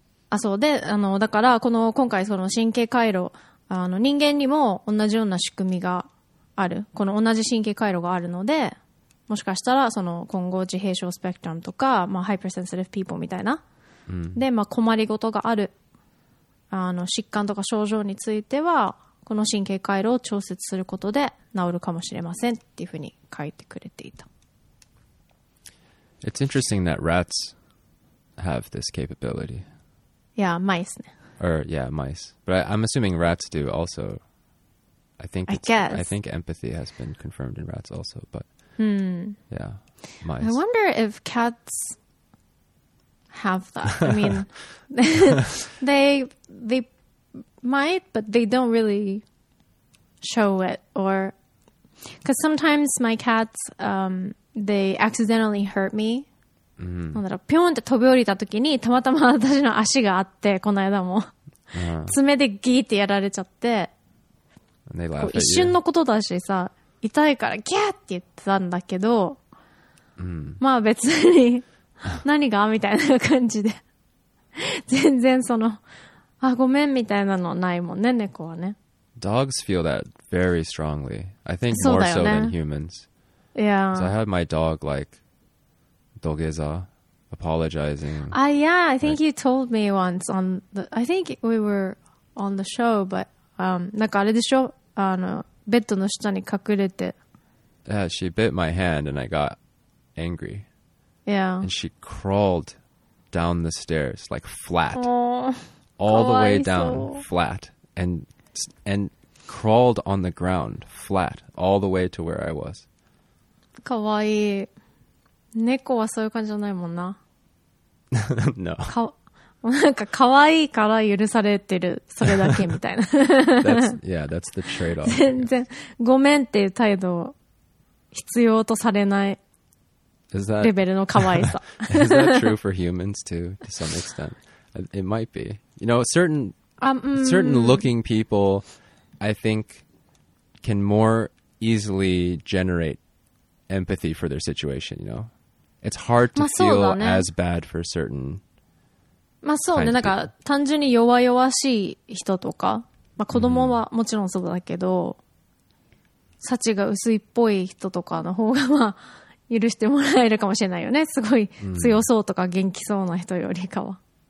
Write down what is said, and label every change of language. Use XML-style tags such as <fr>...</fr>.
<ja>あ、そうで、あの、だからこの今回その神経回路、あの、人間にも同じような仕組みがある、この同じ神経回路があるので、もしかしたらその今後自閉症スペクトラムとか、まあ、ハイプセンシティブピーポーみたいな、うん、で、まあ、困りごとがある、あの、疾患とか症状についてはこの神経回路を調節することで治るかもしれませんっていうふうに書いてくれていた。</ja> <en>It's interesting that rats have this capability. Yeah, mice. Or, yeah, mice. But I'm assuming rats do also. I think empathy has been confirmed in rats also, but yeah, mice. I wonder if cats have that. I mean, they might, but they don't really show it. Or, because sometimes my cats, they accidentally hurt me. Mm-hmm.</en> <ja>なんだろう、ピョンって飛び降りた時にたまたま私の足があって、この間も爪でギーってやられちゃって、</ja> <en>and they laugh at you.</en> <ja>一瞬のことだしさ、痛いからギャーって言ってたんだけど、 mm-hmm. まあ別に何がみたいな感じで全然その、あ、ごめんみたいなのないもんね、猫はね。</ja> <en>Dogs feel that very strongly, I think more so than humans. Yeah. So I had my dog like dogeza apologizing. Yeah, I think, like, you told me once on the, I think we were on the show, but</en> <ja>なんかあれでしょ、あの、ベッドの下に隠れて、</ja> <en>yeah, she bit my hand and I got angry. Yeah. And she crawled down the stairs like flat. Oh, all the way down flat and crawled on the ground flat all the way to where I was.</en> <ja>かわいい。猫はそういう感じじゃないもんな。</ja> <en>No.</en> <ja>かわいいから許されてる、それだけみたいな。</ja> <en>that's the trade-off.</en> <ja>全然、ごめんっていう態度を必要とされないレベルのかわいさ。</ja> <en>Is that true for humans too, to some extent? It might be. You know, certain looking people, I think, can more easily generate empathy for their situation, you know? It's hard to feel as bad for certain.</en> <ja>まあそうね、なんか単純に弱々しい人とか、まあ子供はもちろんそうだけど、幸が薄いっぽい人とかの方が、まあ許してもらえるかもしれないよね。すごい強そうとか元気そうな人よりかは。</ja>